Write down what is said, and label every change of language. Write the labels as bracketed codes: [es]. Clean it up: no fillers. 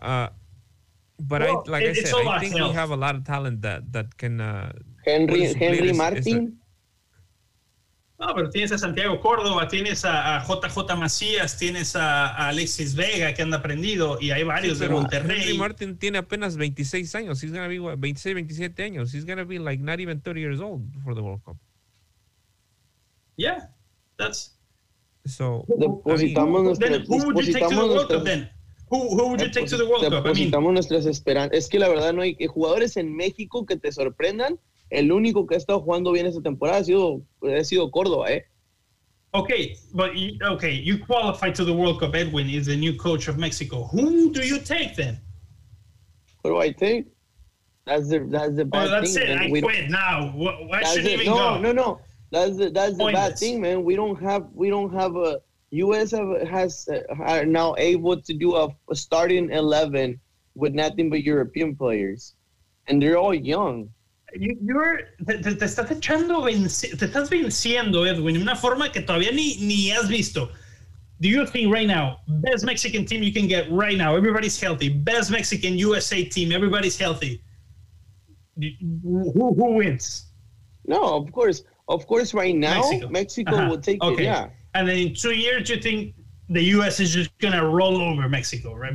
[en] I think we have a lot of talent that can. Henry Martin. [es] No, pero tienes a Santiago Córdoba, tienes a JJ Macías, tienes a Alexis Vega que anda prendido y hay varios de Monterrey. Henry Martin tiene apenas 26 años. [en] He's gonna be 26, 27 [es] años. [en] He's gonna be like not even 30 years old for the World Cup. Yeah, that's. So who would you take to the World Cup? [es] Nuestras esperanzas. Es que la verdad no hay jugadores en México que te sorprendan. El único que ha estado jugando bien esta temporada ha sido Córdoba, [en] Okay, you qualify to the World Cup. Edwin is the new coach of Mexico. Who do you take then? Who do I take? That's the bad thing. I quit now. Why should I even go? No. That's the bad thing, man. We don't have a U.S. are now able to do a starting 11 with nothing but European players, and they're all young. [es] Te estás venciendo, Edwin, en una forma que todavía ni has visto. [en] Do you think right now best Mexican team you can get right now? Everybody's healthy. Best Mexican USA team. Everybody's healthy. Who wins? No, of course. Of course, right now, Mexico uh-huh. will take okay. it, yeah. And then in 2 years, you think the U.S. is just going to roll over Mexico, right?